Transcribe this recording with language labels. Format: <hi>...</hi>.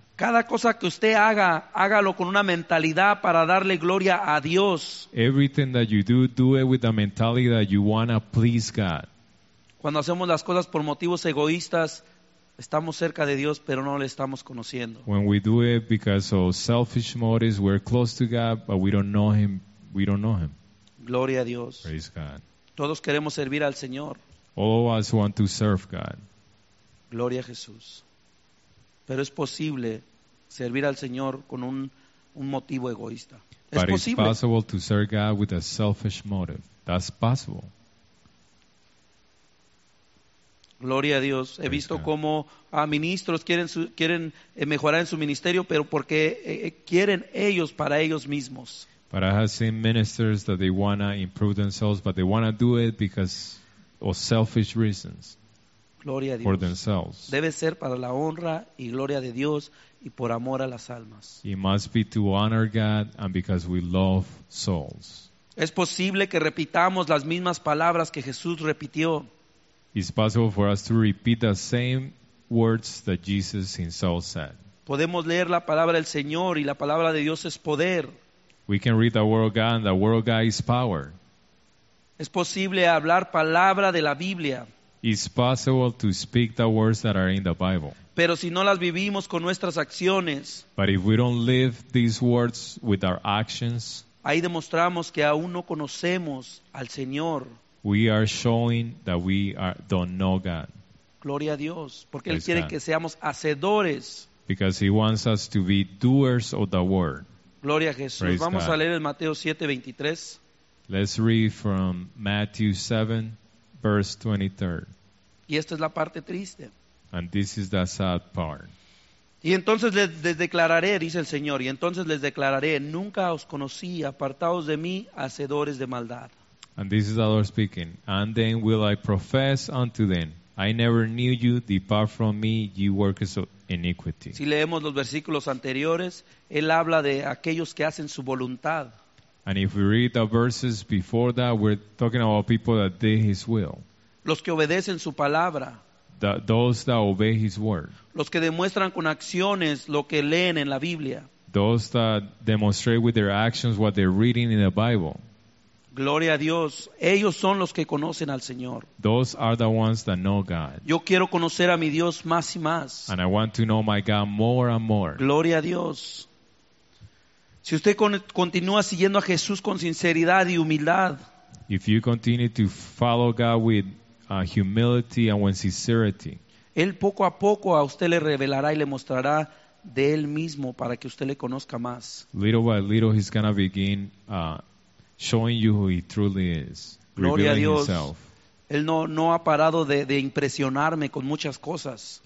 <es>Cada cosa que usted haga, hágalo con una mentalidad para darle gloria a Dios.</es> <en>Everything that you do, do it with a mentality that you want to please God.</en> <es>Cuando hacemos las cosas por motivos egoístas, estamos cerca de Dios, pero no le estamos conociendo.</es> <en>When we do it because of selfish motives, we're close to God, but we don't know Him. We don't know Him.</en> <es>Gloria a Dios.</es> <en>Praise God.</en> <es>Todos queremos servir al Señor.</es> <en>All of us want to serve God.</en> <es>Gloria a Jesús. Pero es posible servir al Señor con un motivo egoísta. Es</es> <en>but</en> <es>posible.</es> <en>It's possible to serve God with a selfish motive. That's possible.</en> <es>Gloria a Dios. He visto cómo ministros quieren mejorar en su ministerio, pero porque quieren ellos para ellos mismos.</es> <en>But I have seen ministers that they want to improve themselves, but they want to do it because of selfish reasons.</en> <es>Gloria a Dios.</es> <en>For themselves.</en> <es>Debe ser para la honra y gloria de Dios y por amor a las almas.</es> <en>It must be to honor God and because we love souls.</en> <es>Es posible que repitamos las mismas palabras que Jesús repitió.</es> <en>It's possible for us to repeat the same words that Jesus Himself said.</en> <es>Podemos leer la palabra del Señor y la palabra de Dios es poder.</es> <en>We can read the word of God and the word of God is power.</en> <es>Es posible hablar palabra de la Biblia.</es> <en>It's possible to speak the words that are in the Bible.</en> <es>Pero si no las vivimos con nuestras acciones.</es> <en>But if we don't live these words with our actions.</en> <es>Ahí demostramos que aún no conocemos al Señor.</es> <en>We are showing that we don't know God.</en> <es>Gloria a Dios, porque Él quiere que seamos hacedores.</es> <en>Because He wants us to be doers of the word.</en> <es>Gloria a Jesús.</es> <en>Praise</en> <es>Vamos</es> <en>God.</en> <es>A leer el Mateo 7:23.</es> <en>Let's read from Matthew 7, verse 23.</en> <es>Y esta es la parte triste.</es> <en>And this is the sad part.</en> <es>Y entonces les declararé, dice el Señor, y entonces les declararé, nunca os conocí, apartados de mí, hacedores de maldad.</es> <en>And this is the Lord speaking. And then will I profess unto them, I never knew you, depart from me, you workers of iniquity.</en> <es>Si leemos los versículos anteriores, Él habla de aquellos que hacen su voluntad.</es> <en>And if we read the verses before that, we're talking about people that did His will.</en> <es>Los que obedecen su palabra.</es> <en>those that obey his word.</en> <es>Los que demuestran con acciones lo que leen en la Biblia.</es> <en>Those that demonstrate with their actions what they're reading in the Bible.</en> <es>Gloria a Dios. Ellos son los que conocen al Señor.</es> <en>Those are the ones that know God.</en> <es>Yo quiero conocer a mi Dios más y más.</es> <en>And I want to know my God more and more.</en> <es>Gloria a Dios. Si usted continúa siguiendo a Jesús con sinceridad y humildad.</es> <en>If you continue to follow God with humility and with sincerity.</en> <es>Él poco a poco a usted le revelará y le mostrará de él mismo para que usted le conozca más.</es> <en>Little by little he's going to begin showing you who he truly is.</en> <es>Gloria a Dios.</es> <en>Himself.</en> <es>Él no ha parado de impresionarme con muchas cosas.</es>